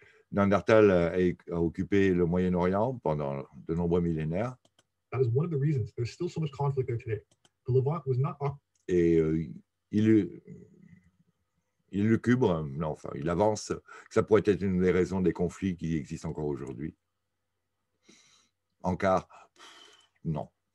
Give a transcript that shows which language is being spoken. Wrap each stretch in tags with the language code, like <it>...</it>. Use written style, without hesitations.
<fr>Néandertal a occupé le Moyen-Orient pendant de nombreux millénaires.</fr> <en>That is one of the reasons there's still so much conflict there today. The Levant was not.</en> <fr>Et il lucubre, non, enfin, il avance que ça pourrait être une des raisons des conflits qui existent encore aujourd'hui. Encore, non.</fr>